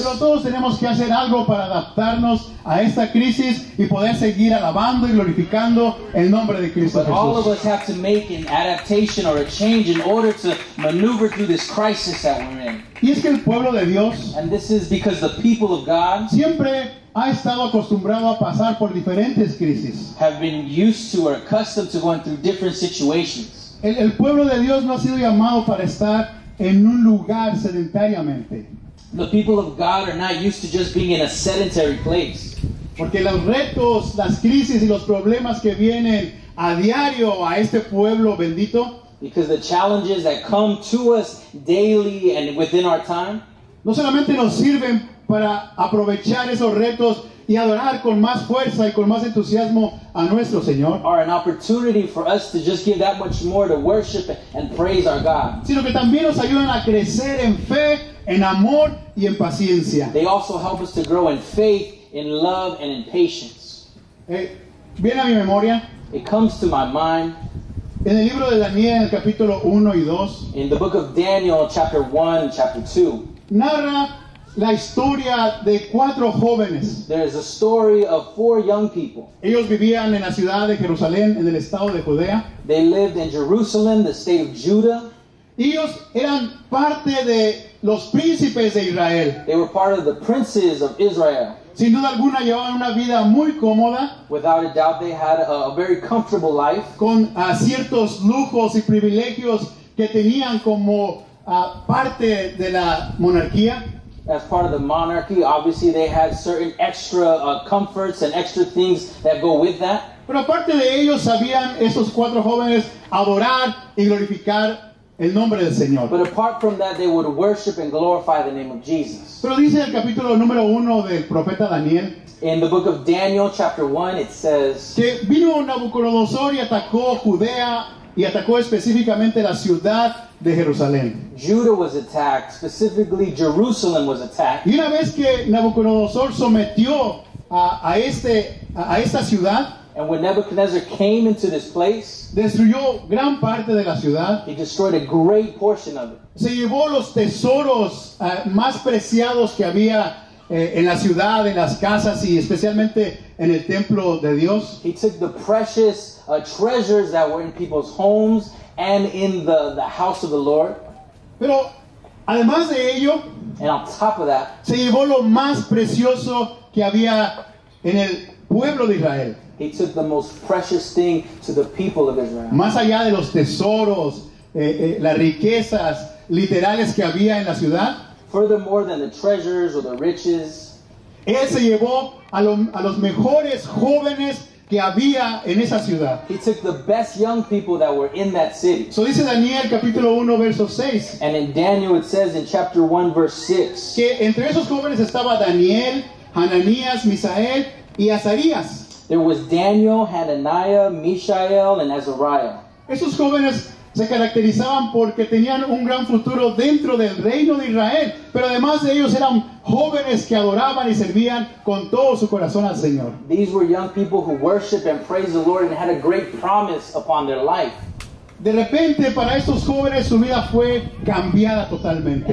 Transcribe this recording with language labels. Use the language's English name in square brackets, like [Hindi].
[Spanish] Pero todos tenemos que hacer algo para adaptarnos a esta crisis y poder seguir alabando y glorificando el nombre de Cristo Jesús. [English] All of us have to make an adaptation or a change in order to maneuver through this crisis that we're in. [Spanish] Y es que el pueblo de Dios, [English] and this is because the people of God, [Spanish] siempre ha estado acostumbrado a pasar por diferentes crisis. [English] Have been used to or accustomed to going through different situations. [Spanish] El pueblo de Dios no ha sido llamado para estar en un lugar sedentariamente. [English] The people of God are not used to just being in a sedentary place. [Spanish] Porque los retos, las crisis y los problemas que vienen a diario a este pueblo bendito, [English] because the challenges that come to us daily and within our time, [Spanish] no solamente nos sirven para aprovechar esos retos y adorar con más fuerza y con más entusiasmo a nuestro Señor, [English] are an opportunity for us to just give that much more to worship and praise our God, [Spanish] sino que también nos ayudan a crecer en fe, en amor y en paciencia. [English] They also help us to grow in faith, in love, and in patience. [Spanish] Viene a mi memoria. [English] It comes to my mind. [Spanish] En el libro de Daniel, el capítulo 1 y 2. [English] In the book of Daniel, chapter 1 and chapter 2. [Spanish] Narra la historia de cuatro jóvenes. [English] There is a story of four young people. [Spanish] Ellos vivían en la ciudad de Jerusalén, en el estado de Judea. [English] They lived in Jerusalem, the state of Judah. [Spanish] Ellos eran parte de los príncipes de Israel. [English] They were part of the princes of Israel. [Spanish] Sin duda alguna llevaban una vida muy cómoda. [English] Without a doubt they had a very comfortable life. [Spanish] Con ciertos lujos y privilegios que tenían como parte de la monarquía. [English] As part of the monarchy, obviously they had certain extra comforts and extra things that go with that. [Spanish] Pero aparte de ellos, sabían esos cuatro jóvenes adorar y glorificar el nombre del Señor. [English] But apart from that, they would worship and glorify the name of Jesus. [Spanish] Pero dice el capítulo número uno del profeta Daniel. [English] In the book of Daniel, chapter 1, it says, [Spanish] que vino Nabucodonosor y atacó Judea y atacó específicamente la ciudad de Jerusalén. [English] Judah was attacked, specifically Jerusalem was attacked. [Spanish] Y una vez que Nabucodonosor sometió a esta ciudad, [English] and when Nebuchadnezzar came into this place, [Spanish] destruyó gran parte de la ciudad, [English] he destroyed a great portion of it. [Spanish] Se llevó los tesoros más preciados que había en la ciudad, en las casas y especialmente en el templo de Dios. [English] He took the precious treasures that were in people's homes and in the house of the Lord. [Spanish] Pero además de ello, [English] and on top of that, [Spanish] se llevó lo más precioso que había en el pueblo de Israel. [English] He took the most precious thing to the people of Israel. [Spanish] Más allá de los tesoros, las riquezas literales que había en la ciudad, [English] furthermore than the treasures or the riches, [Spanish] él se llevó a los mejores jóvenes que había en esa ciudad. [English] He took the best young people that were in that city. [Spanish] So dice Daniel capítulo 1 verso 6. [English] And in Daniel it says in chapter 1 verse 6. [Spanish] Que entre esos jóvenes estaba Daniel, Hananías, Misael y Azarías. [English] There was Daniel, Hananiah, Mishael, and Azariah. [Spanish] Esos jóvenes se caracterizaban porque tenían un gran futuro dentro del reino de Israel. Pero además de ellos eran jóvenes que adoraban y servían con todo su corazón al Señor. [English] These were young people who worshiped and praised the Lord and had a great promise upon their life. [Spanish] De repente, para estos jóvenes, su vida fue cambiada totalmente.